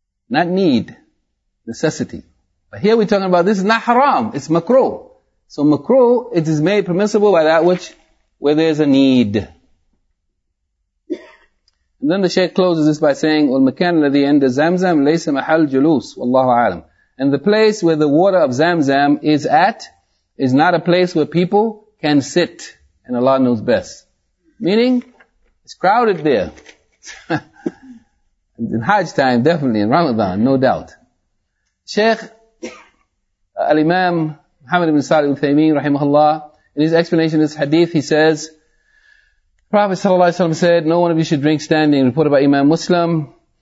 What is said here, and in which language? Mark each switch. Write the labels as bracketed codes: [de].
[en] Not need, necessity. But here we're talking about this is not haram, it's makruh. So makruh, it is made permissible by that which, where there's a need. And then the Shaykh closes this by saying, [ar] وَالْمَكَانَ الَّذِي عِنْدَ زَمْزَمْ لَيْسَ مَحَلْ جُلُوسِ وَاللَّهُ عَالَمْ. [en] And the place where the water of Zamzam is at is not a place where people can sit, and Allah knows best. Meaning, it's crowded there. In Hajj time, definitely, in Ramadan, no doubt. Shaykh Al-Imam Muhammad ibn Salih al-Uthaymeen, rahimahullah, in his explanation of this hadith, he says, Prophet sallallahu alayhi wa sallam said, no one of you should drink standing, reported by Imam Muslim.